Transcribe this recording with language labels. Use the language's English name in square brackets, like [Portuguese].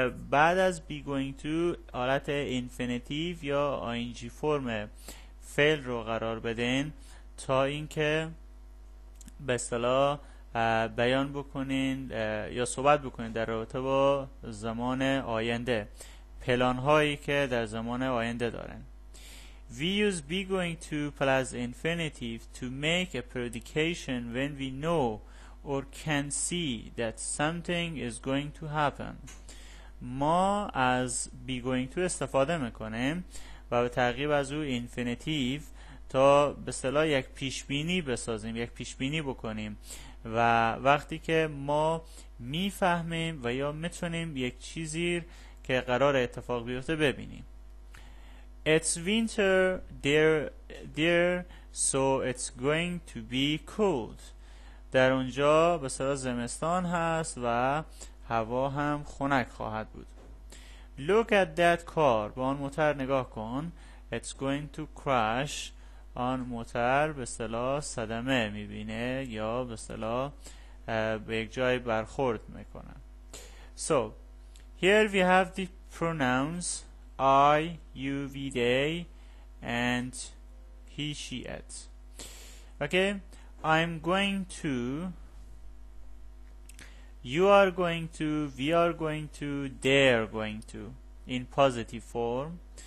[Persian] بعد از be going to حالت infinitive یا ing فرم فعل رو قرار بدین تا اینکه به اصطلاح بیان بکنین یا صحبت بکنین در رابطه با زمان آینده, پلان هایی که در زمان آینده دارن. [English] We use be going to plus infinitive to make a prediction when we know or can see that something is going to happen. [Persian] ما از be going to استفاده میکنیم و به تعقیب از او infinitive تا به اصطلاح یک پیشبینی بسازیم, یک پیشبینی بکنیم, و وقتی که ما میفهمیم و یا میتونیم یک چیزی که قرار اتفاق بیفته ببینیم. [English] It's winter there, so it's going to be cold. [Persian] در اونجا به صدا زمستان هست و هوا هم خنک خواهد بود. [English] Look at that car. [Persian] به آن موتر نگاه کن. [English] It's going to crash. [Persian] آن موتر به صدا صدمه میبینه یا به صدا به یک جای برخورد میکنه. [English] So, here we have the pronouns I, you, we, they and he, she, it. Okay? I'm going to, you are going to, we are going to, they are going to, in positive form.